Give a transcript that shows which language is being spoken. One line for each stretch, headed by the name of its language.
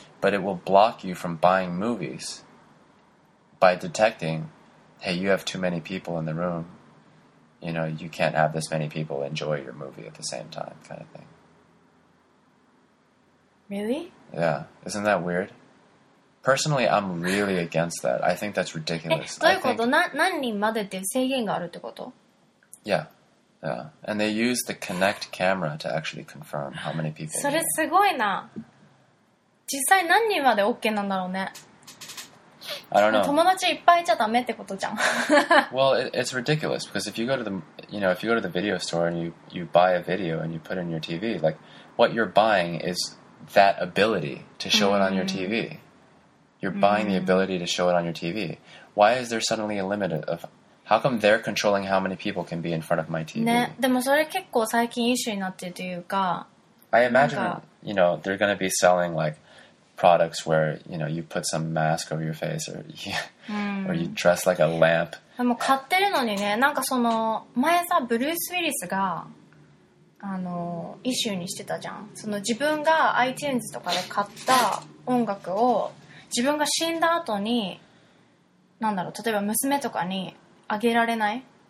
English: But it will block you from buying movies by detecting, hey, you have too many people in the room. you know, you can't have this many people enjoy your movie at the same time, kind of thing. Really? Yeah. Isn't that weird? Personally, I'm really against that. I think that's ridiculous.
Japanese: どういうこと?何人までっていう制限があるってこと?
English: Yeah. Yeah. And they use the Kinect camera to actually confirm how many people.
Japanese: それすごいな。実際何人までOKなんだろうね?
English: I don't know.
Japanese: 友達いっぱいいちゃダメってことじゃん。
English: Well, it's ridiculous because if you go to the, you know, if you go to the video store and you buy a video and you put it in your TV, like what you're buying is that ability to show it on your TV. You're buying the ability to show it on your TV. Why is there suddenly a limit of how come they're controlling how many people can be in front of my TV?
Japanese: ね、でもそれ結構最近イシューになってというか。
English: I imagine, you know, they're going to be selling like products where, you know, you put some mask over your face or or you dress like a lamp.
Japanese: でも買ってるのにね、なんかその前さブルース・ウィリスがあのイシューにしてたじゃん。その自分がiTunesとかで買った音楽を自分が死んだ後に、なんだろう、例えば娘とかにあげられない。